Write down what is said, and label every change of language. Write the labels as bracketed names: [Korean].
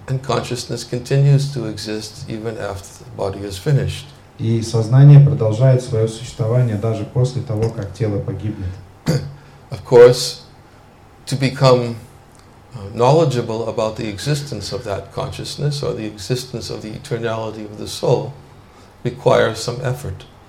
[English] And consciousness continues to exist even after the body is finished. [Russian] И сознание продолжает свое существование даже после того, как тело погибнет. [English] Of course, to become knowledgeable about the existence of that consciousness or the existence of the eternality of the soul requires some effort.